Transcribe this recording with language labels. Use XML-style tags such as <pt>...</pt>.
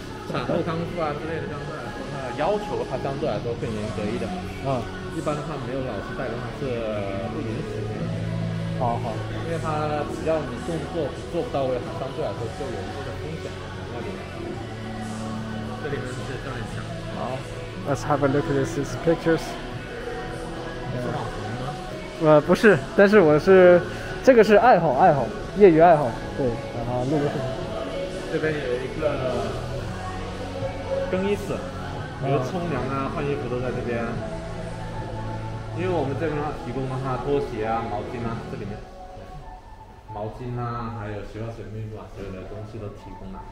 <zh>产后康复啊之类的相关。要求它相对来说更严格一点。一般的话没有老师带的话是不允许的。好，因为它只要你动作做不到位，它相对来说就有一些的风险在里面。这里面是照一下。好</zh> <en>，Let's have a look at these pictures。</en> <zh>是网红吗？不是，但是我是，这个是爱好，业余爱好，对，然后录个视频。这边有一个更衣室。比如冲凉啊、换衣服都在这边，因为我们这边提供的话，拖鞋啊、毛巾啊，这里面，毛巾啊，还有洗发水、面膜啊，所有的东西都提供了。</zh>